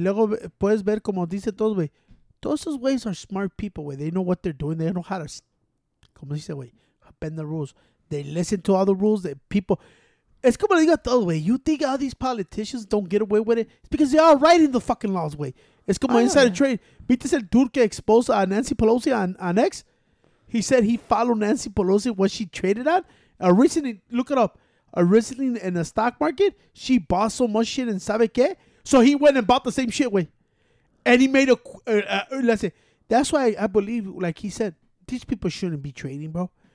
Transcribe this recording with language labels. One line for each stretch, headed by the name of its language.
Spanish: luego puedes ver como dice todos, güey. Todos esos güeyes
English: are smart people,
Spanish: güey.
English: They know what they're doing. They know how to,
Spanish: como dice, güey,
English: bend the rules. They listen to all the rules that people... It's
Spanish: como le digo a todos, güey.
English: You think all these politicians don't get away with it? It's because they are writing the fucking laws, güey. It's como inside the trade.
Spanish: ¿Viste el dude que
English: exposed
Spanish: a Nancy Pelosi on X?
English: He said he followed Nancy Pelosi what she traded on. Recently, look it up. Recently in the stock market, she bought so much shit and
Spanish: sabe qué?
English: So he went and bought the same shit, güey. And he made let's say, that's why I believe, like he said, these people shouldn't be trading, bro.